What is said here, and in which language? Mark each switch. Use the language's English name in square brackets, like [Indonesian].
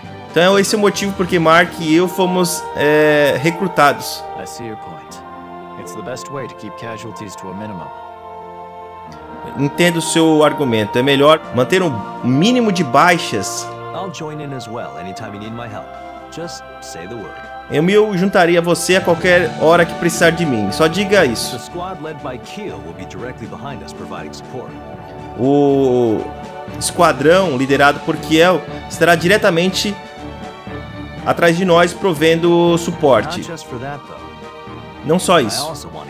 [Portuguese] Então esse é o motivo porque Mark e eu fomos recrutados. [English] I see your point. It's the best way to keep casualties to a minimum. [Portuguese] Entendo o seu argumento. É melhor manter um mínimo de baixas. [English] I'll join in as well anytime you need my help. Just say the word. [Portuguese] Eu me juntaria a você a qualquer hora que precisar de mim. Só diga isso. [English] The squad led by Keel will be directly behind us providing support. [Portuguese] O esquadrão liderado por Kiel estará diretamente atrás de nós provendo suporte. Não só isso.